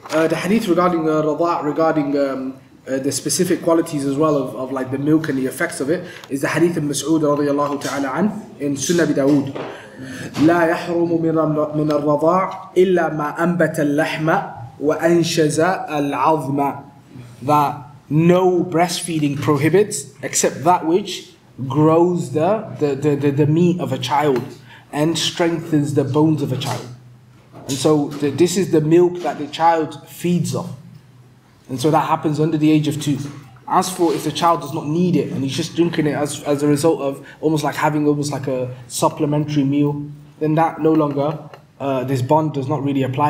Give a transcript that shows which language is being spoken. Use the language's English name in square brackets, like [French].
[English] the hadith regarding rada', regarding the specific qualities as well of like the milk and the effects of it, is the hadith of Mas'ud radiallahu ta'ala an in Sunnah Abi Dawood. [Arabic] لا يحرم من الرضاع إلا ما أنبت اللحم وأنشز العظم. [English] That no breastfeeding prohibits except that which grows the meat of a child and strengthens the bones of a child. And so this is the milk that the child feeds off. And so that happens under the age of 2. As for if the child does not need it and he's just drinking it as a result of almost like having almost like a supplementary meal, then that no longer, this bond does not really apply.